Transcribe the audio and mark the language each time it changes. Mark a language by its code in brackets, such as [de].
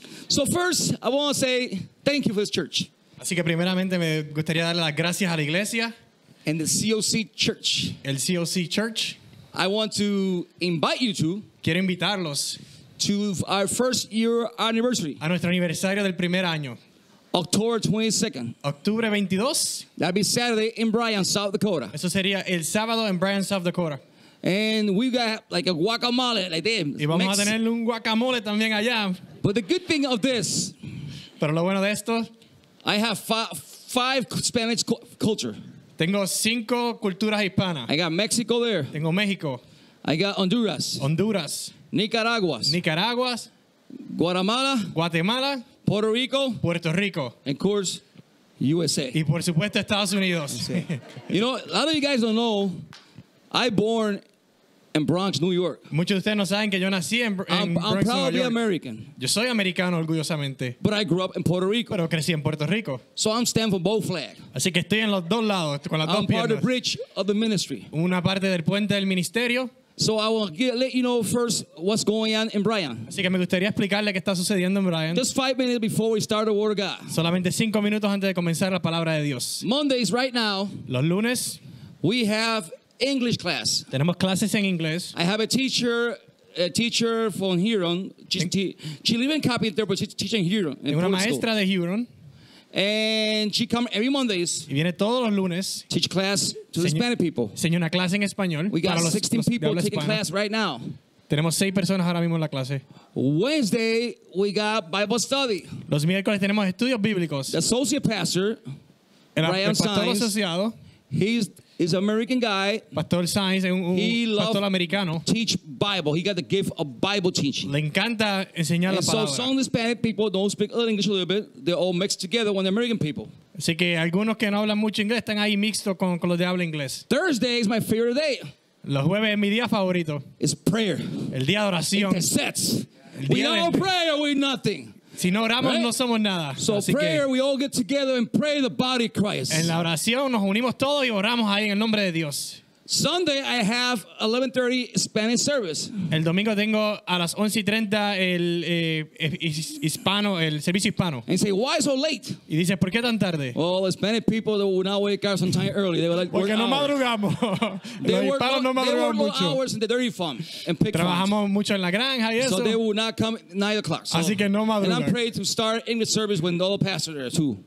[en] So first, I want to say thank you for this church. [es] Así que primeramente me gustaría darle las gracias a la iglesia. [en] And the COC Church. [es] El COC Church. [en] I want to invite you to. [es] Quiero invitarlos [en] to our first year anniversary. [es] A nuestro aniversario del primer año. [en] October 22nd. [es] Octubre 22. [en] That'd be Saturday in Bryant, South Dakota. [es] Eso sería el sábado en Bryant, South Dakota. [en] And we got like a guacamole like that. [es] Y vamos a tener un guacamole también allá. [en] But the good thing of this. [es] Pero lo bueno de esto. [en] I have five Spanish culture. [es] Tengo cinco culturas hispanas. [en] I got Mexico there. [es] Tengo México. [en] I got Honduras. [es] Honduras. [en] Nicaragua. [es] Nicaragua. [en] Guatemala. [es] Guatemala. [en] Puerto Rico. [es] Puerto Rico. [en] And of course, USA. [es] Y por supuesto, Estados Unidos. [en] You know, a lot of you guys don't know, I born in Bronx, New York. [es] Muchos de ustedes no saben que yo nací en Bronx, [en] New York. I'm proudly American. [es] Yo soy americano, orgullosamente. [en] But I grew up in Puerto Rico. [es] Pero crecí en Puerto Rico. [en] So I'm standing for both flags. [es] Así que estoy en los dos lados, con las dos piernas. [en] I'm part of the bridge of the ministry. [es] Una parte del puente del ministerio. [en] So I will let you know first what's going on in Bryant. [es] Así que me gustaría explicarle qué está sucediendo en Bryant. [en] Just 5 minutes before we start the word of God. [es] Solamente 5 minutos antes de comenzar la palabra de Dios. [en] Mondays right now. [es] Los lunes. [en] We have English class. [es] Tenemos clases en inglés. [en] I have a teacher from Huron. She lives in Carpinter, but she's teaching Huron. [es] Es una maestra de Huron. [en] And she comes every Mondays. [es] Y viene todos los lunes. [en] Teach class to the Hispanic people. [es] Enseña una clase en español. [en] We got 16 people taking class right now. [es] Tenemos 6 personas ahora mismo en la clase. [en] Wednesday we got Bible study. [es] Los miércoles tenemos estudios bíblicos. [en] The associate pastor, [es] Bryant Sanchez. Asociado. [en] He's an American guy. Pastor Sainz, he loves to teach Bible. He got the gift of Bible teaching. [es] Le encanta enseñar la palabra. [en] So some Hispanic people don't speak English a little bit. They're all mixed together with American people. [es] Así que algunos que no hablan mucho inglés están ahí mixto con los de habla inglés. [en] Thursday is my favorite day. [es] Los jueves es mi día favorito. [en] It's prayer. [es] El día de oración. [en] It sets. We don't pray or we nothing. [es] Si no oramos, right? No somos nada. [en] So [es] así [en] prayer, [es] que, [en] we all get together and pray the body of Christ. [es] En la oración nos unimos todos y oramos ahí en el nombre de Dios. [en] Sunday I have 11:30 Spanish service. [es] El domingo tengo a las 11:30 el servicio hispano. [en] And say, why so late? [es] Y dice, ¿por qué tan tarde? [en] Well, the Spanish people that would not wake up sometime early. They were like, [es] porque no madrugamos. [en] They [es] los hispanos no madrugamos [en] they [es] mucho. [en] Hours in the dairy farm and pick [es] trabajamos farms. Mucho en la granja y eso. [en] So they would not come at 9:00. So, [es] así que no madrugan. [en] And I'm praying to start English service when all the pastors are too.